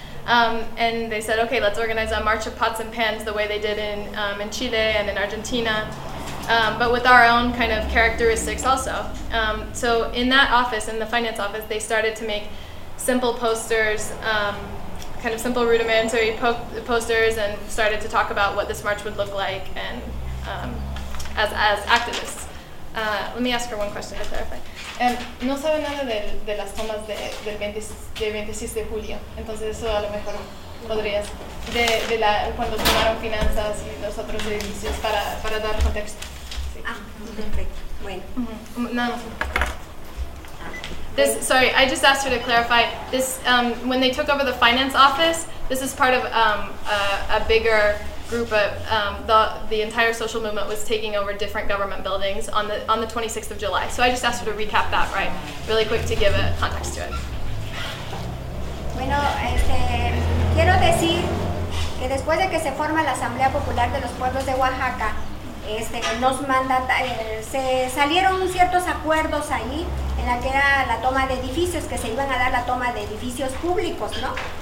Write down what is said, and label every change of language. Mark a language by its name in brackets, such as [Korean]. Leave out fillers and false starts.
[English] And they said, "Okay, let's organize a march of pots and pans the way they did in Chile and in Argentina, but with our own kind of characteristics also." So in that office, in the finance office, they started to make simple posters, kind of simple rudimentary posters, and started to talk about what this march would look like and as activists. Let me ask her one question to clarify. [Spanish] No sabe nada de las tomas del 26 de julio, entonces eso a lo mejor podrías, cuando tomaron finanzas y los otros edificios, para dar contexto. Sí. Perfecto. Bueno. [English] Sorry, I just asked her to clarify. When they took over the finance office, this is part of a bigger group of the entire social movement was taking over different government buildings on the 26th of July. So I just asked her to recap that, right, really quick to give a context to it. [Spanish] Bueno, quiero decir que después de que se forma la Asamblea Popular de los Pueblos de Oaxaca, nos mandata, se salieron ciertos acuerdos ahí en la que era la toma de edificios, que se iban a dar la toma de edificios públicos, ¿no?